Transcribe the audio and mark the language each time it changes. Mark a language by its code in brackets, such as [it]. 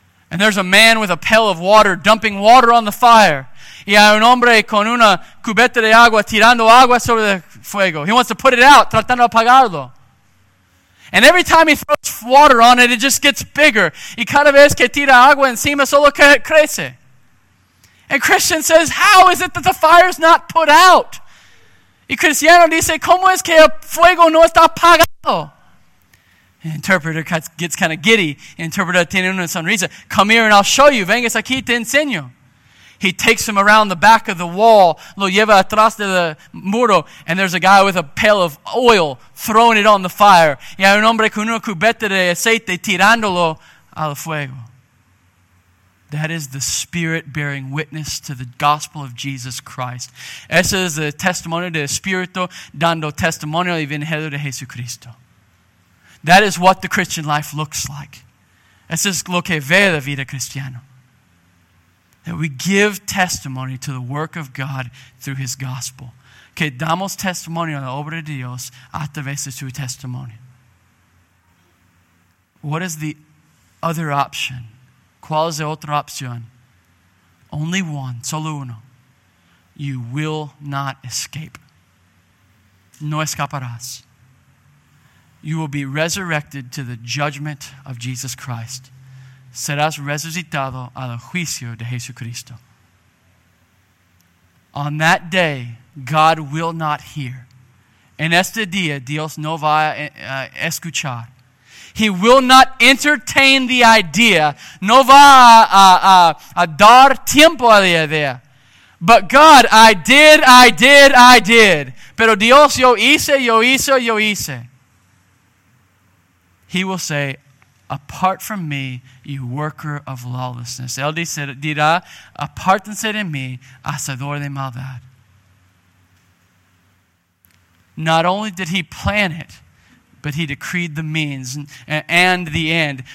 [en] And there's a man with a pail of water dumping water on the fire. [es] Y hay un hombre con una cubeta de agua tirando agua sobre el fuego. [en] He wants to put it out, [es] tratando de apagarlo. [en] And every time he throws water on it, it just gets bigger. [es] Y cada vez que tira agua encima, solo crece. [en] And Christian says, how is it that the fire's not put out? [es] Y Cristiano dice, ¿cómo es que el fuego no está apagado? [en] The interpreter gets kind of giddy. The interpreter [es] tiene una sonrisa. [en] Come here and I'll show you. [es] Vengas aquí, te enseño. [en] He takes him around the back of the wall. [es] Lo lleva atrás del muro. [en] And there's a guy with a pail of oil throwing it on the fire. [es] Y hay un hombre con una cubeta de aceite tirándolo al fuego. [en] That is the Spirit bearing witness to the gospel of Jesus Christ. [es] Ese es el testimonio del Espíritu dando testimonio al Evangelio de Jesucristo. [en] That is what the Christian life looks like. [es] Eso es lo que ve la vida cristiana. [en] That we give testimony to the work of God through His gospel. [es] Que damos testimonio a la obra de Dios a través de su testimonio. [en] What is the other option? [es] ¿Cuál es la otra opción? [en] Only one, [es] solo uno. [en] You will not escape. [es] No escaparás. [en] You will be resurrected to the judgment of Jesus Christ. [es] Serás resucitado al juicio de Jesucristo. [en] On that day, God will not hear. [es] En este día, Dios no va a escuchar. [en] He will not entertain the idea. [es] No va a dar tiempo a la idea. [en] But God, I did. [es] Pero Dios, yo hice. [en] He will say, apart from me, you worker of lawlessness. [es] Él dirá, apártense de mí, hacedor de maldad. [en] Not only did he plan it, but he decreed the means and the end.